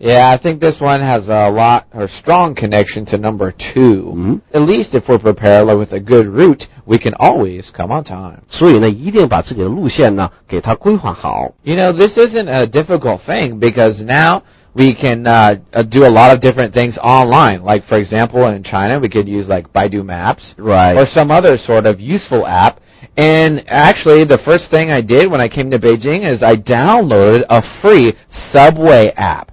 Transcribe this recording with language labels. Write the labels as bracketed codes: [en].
[en] Yeah, I think this one has a lot or strong connection to number two. At least if we're prepared with a good route, we can always come on time. [zh] 所以呢，一定把自己的路线呢，给它规划好。 [en] You know, this isn't a difficult thing because now,We can do a lot of different things online. Like, for example, in China, we could use like Baidu Maps. Right. Or some other sort of useful app. And actually, the first thing I did when I came to Beijing is I downloaded a free subway app.